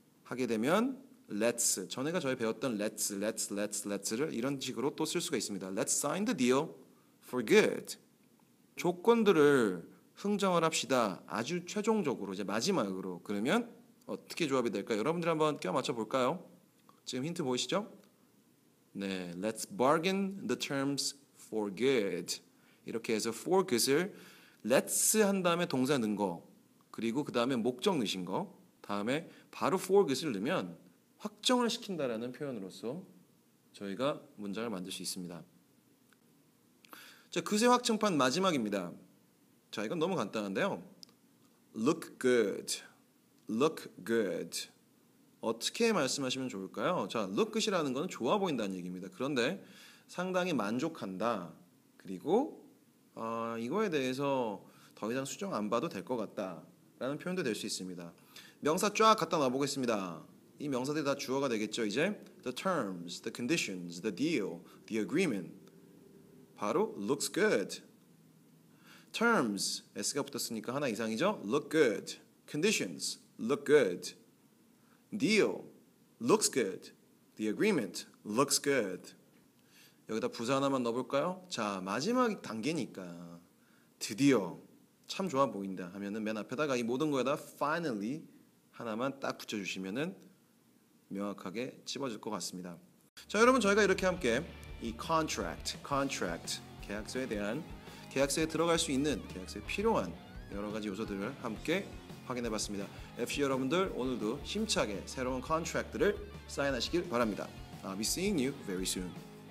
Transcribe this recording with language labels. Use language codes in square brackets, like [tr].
[ko] 하게 되면 let's, 전에가 저희 배웠던 let's를 이런 식으로 또 쓸 수가 있습니다. [en] Let's sign the deal. For good. [ko] 조건들을 흥정을 합시다. 아주 최종적으로, 이제 마지막으로. 그러면 어떻게 조합이 될까요? 여러분들 한번 껴 맞춰볼까요? 지금 힌트 보이시죠? [en] 네, let's bargain the terms for good. [ko] 이렇게 해서 for good을 let's 한 다음에 동사 넣은 거, 그리고 그 다음에 목적 넣으신 거, 다음에 바로 for good을 넣으면 확정을 시킨다라는 표현으로서 저희가 문장을 만들 수 있습니다. 자, 그새 확정판 마지막입니다. 자, 이건 너무 간단한데요. [en] Look good. Look good. [ko] 어떻게 말씀하시면 좋을까요? 자, look good이라는 건 좋아 보인다는 얘기입니다. 그런데 상당히 만족한다. 그리고 이거에 대해서 더 이상 수정 안 봐도 될 것 같다. 라는 표현도 될 수 있습니다. 명사 쫙 갖다 놔보겠습니다. 이 명사들이 다 주어가 되겠죠, 이제? [en] The terms, the conditions, the deal, the agreement. 바로 looks good. [ko] Terms, S가 붙었으니까 하나 이상이죠? [en] Look good. Conditions, look good. Deal, looks good. The agreement, looks good. [ko] 여기다 부사 하나만 넣어볼까요? 자, 마지막 단계니까 드디어 참 좋아 보인다 하면은 맨 앞에다가 이 모든 거에다 finally 하나만 딱 붙여주시면은 명확하게 집어줄 것 같습니다. 자, 여러분, 저희가 이렇게 함께 이 contract, 계약서에 대한, 계약서에 들어갈 수 있는, 계약서에 필요한 여러 가지 요소들을 함께 확인해봤습니다. FC 여러분들, 오늘도 힘차게 새로운 contract들을 사인하시길 바랍니다. [en] I'll be seeing you very soon.